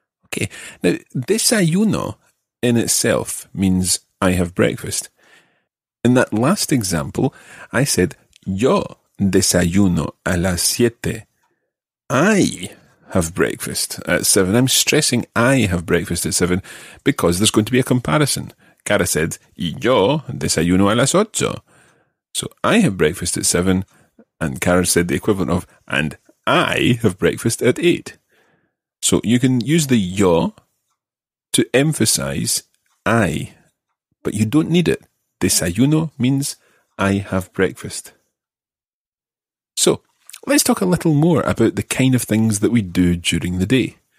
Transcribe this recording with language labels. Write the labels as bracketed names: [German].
[English] Okay. Now, desayuno in itself means I have breakfast. In that last example, I said, [Spanish] yo desayuno a las siete. [English] I have breakfast at seven. I'm stressing I have breakfast at seven because there's going to be a comparison. Cara said, [Spanish] y yo desayuno a las ocho. [English] So I have breakfast at seven, and Cara said the equivalent of, and I have breakfast at eight. So you can use the yo to emphasize I, but you don't need it. Desayuno means I have breakfast. So, let's talk a little more about the kind of things that we do during the day.